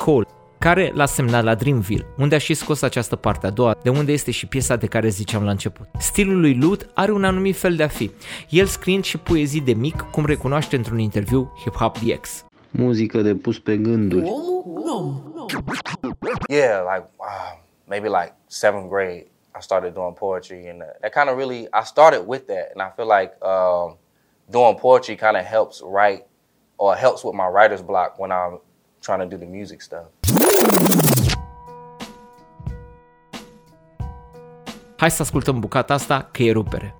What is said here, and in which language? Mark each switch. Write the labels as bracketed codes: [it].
[ro] Cole, care l-a semnat la Dreamville, unde a și scos această parte a doua, de unde este și piesa de care ziceam la început. Stilul lui Loot are un anumit fel de a fi. El scrie și poezii de mic, cum recunoaște într-un interviu Hip Hop DX. Muzică de pus pe gânduri. [en] Yeah, like maybe like 7th grade I started doing poetry and that kind of really I started with that and I feel like doing poetry kind of helps write or helps with my writer's block when I'm trying to do the music stuff. [ro] Hai să ascultăm bucata asta că e rupere.